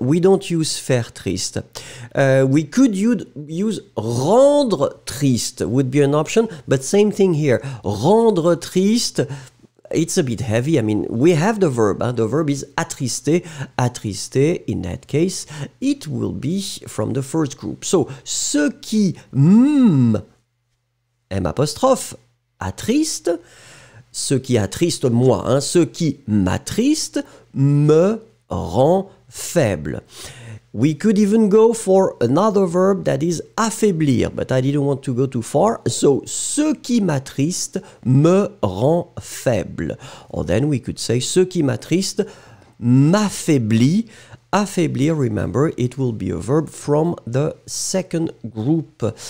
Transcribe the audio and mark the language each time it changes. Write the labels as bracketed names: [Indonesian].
[English] We don't use [French] faire triste. [English] We could use [French] rendre triste [English] would be an option, but same thing here. [French] Rendre triste. [English] It's a bit heavy. I mean, we have the verb. The verb is attrister. Attrister, in that case, it will be from the first group. [French] So, ce qui m apostrophe attriste, ce qui attriste moi, hein, ce qui m'attriste me rend faible. [English] We could even go for another verb that is affaiblir, but I didn't want to go too far. [French] So, ce qui m'attriste me rend faible. [English] Or then we could say, [French] ce qui m'attriste m'affaiblit. [English] Affaiblir, remember, it will be a verb from the second group.